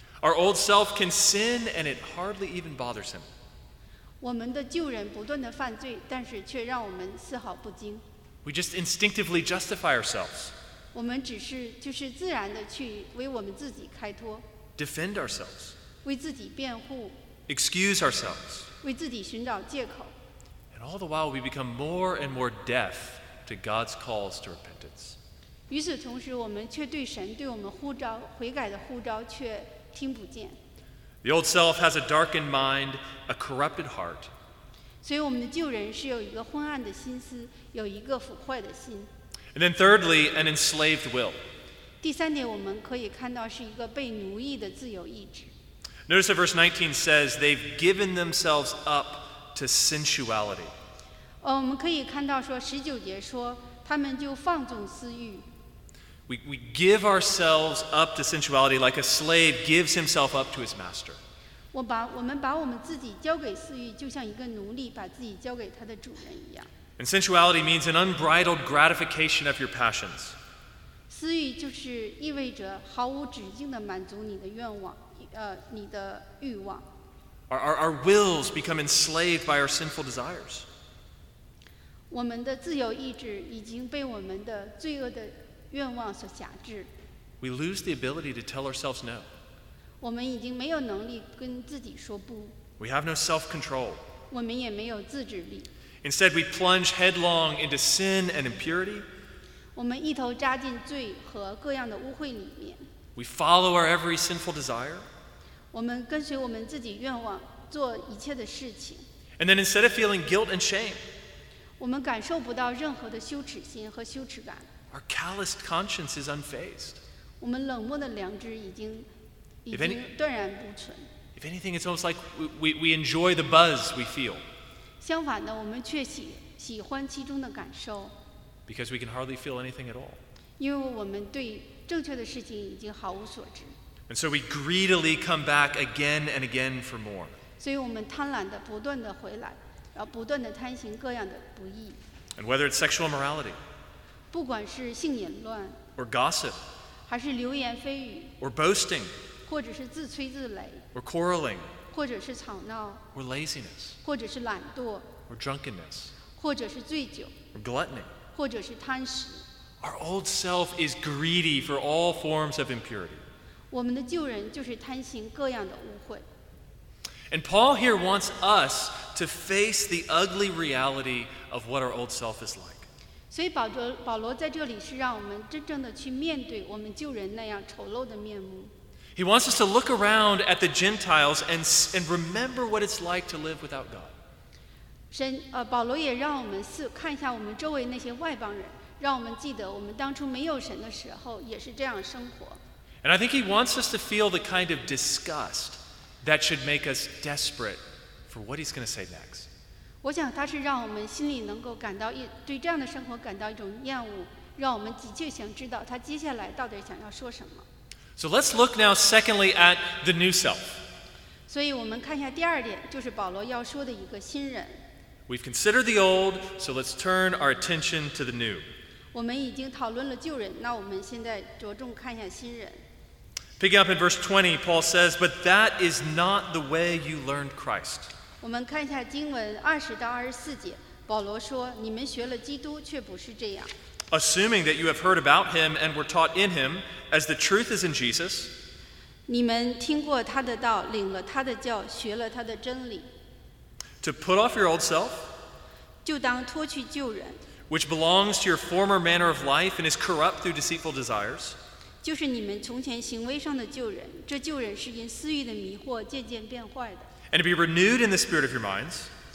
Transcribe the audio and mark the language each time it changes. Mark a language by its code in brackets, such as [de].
[en] Our old self can sin and it hardly even bothers him. [zh] 我们的旧人不断地犯罪，但是却让我们丝毫不惊。 [en] We just instinctively justify ourselves. [zh] 我们只是就是自然地去为我们自己开脱。 [en] Defend ourselves. [zh] 为自己辩护。 [en] Excuse ourselves. [zh] 为自己寻找借口。 [en] And all the while we become more and more deaf to God's calls to repentance. [zh] 与此同时，我们却对神对我们呼召悔改的呼召却听不见。 [en] The old self has a darkened mind, a corrupted heart. [zh] 所以我们的旧人是有一个昏暗的心思，有一个腐坏的心。 [en] And then thirdly, an enslaved will. [zh] 第三点我们可以看到是一个被奴役的自由意志。 [en] Notice that verse 19 says they've given themselves up to sensuality. [zh] 我们可以看到说十九节说他们就放纵私欲。 [en] We give ourselves up to sensuality like a slave gives himself up to his master. [zh] 我们把我们自己交给私欲，就像一个奴隶把自己交给他的主人一样。 [en] And sensuality means an unbridled gratification of your passions. [zh] 私欲就是意味着毫无止境地满足你的愿望，你的欲望。 [en] Our wills become enslaved by our sinful desires. [zh] 我们的自由意志已经被我们的罪恶的愿望所辖制。 [en] We lose the ability to tell ourselves no. [zh] 我们已经没有能力跟自己说不。 [en] We have no self-control. [zh] 我们也没有自制力。 [en] Instead, we plunge headlong into sin and impurity. [zh] 我们一头扎进罪和各样的污秽里面。 [en] We follow our every sinful desire. [zh] 我们跟随我们自己愿望做一切的事情。 [en] And then instead of feeling guilt and shame, [zh] 我们感受不到任何的羞耻心和羞耻感。 [en] Our calloused conscience is unfazed. [zh] 我们冷漠的良知已经断然不存。 [en] If anything, it's almost like we enjoy the buzz we feel. [zh] 相反的，我们却喜欢其中的感受。 [en] Because we can hardly feel anything at all. [zh] 因为我们对正确的事情已经毫无所知。 [en] And so we greedily come back again and again for more. [zh] 所以我们贪婪的不断的回来，然后不断的贪行各样的不义。 [en] And whether it's sexual immorality, [zh] 不管是性淫乱 [en] or gossip. [zh] 还是流言蜚语 [en] or boasting, [zh] 或者是自吹自擂 [en] or quarreling, [zh] 或者是吵闹 [en] or laziness, [zh] 或者是懒惰 [en] or drunkenness, [zh] 或者是醉酒 [en] or gluttony, [zh] 或者是贪食 [en] Our old self is greedy for all forms of impurity. [zh] 我们的旧人就是贪行各样的污秽 [en] And Paul here wants us to face the ugly reality of what our old self is like. [zh] 所以保罗在这里是让我们真正的去面对我们旧人那样丑陋的面目。 [en] He wants us to look around at the Gentiles and remember what it's like to live without God. [zh] 保罗也让我们看一下我们周围那些外邦人，让我们记得我们当初没有神的时候也是这样生活。 [en] And I think he wants us to feel the kind of disgust that should make us desperate for what he's going to say next. [zh] 我想他是让我们心里能够感到对这样的生活感到一种厌恶，让我们急切想知道他接下来到底想要说什么。 [en] So let's look now secondly at the new self. [zh] 所以我们看一下第二点，就是保罗要说的一个新人。 [en] We've considered the old, so let's turn our attention to the new. [zh] 我们已经讨论了旧人，那我们现在着重看一下新人。 [en] Picking up in verse 20, Paul says, "But that is not the way you learned Christ." [zh] 我们看一下经文20-24节，保罗说：“你们学了基督，却不是这样。” [en] Assuming that you have heard about him and were taught in him, as the truth is in Jesus. [zh] 你们听过他的道，领了他的教，学了他的真理。 [en] To put off your old self. [zh] 就当脱去旧人。 [en] Which belongs to your former manner of life and is corrupt through deceitful desires. [zh] 就是你们从前行为上的旧人，这旧人是因私欲的迷惑渐渐变坏的。 [en] And to be renewed in the spirit of your minds.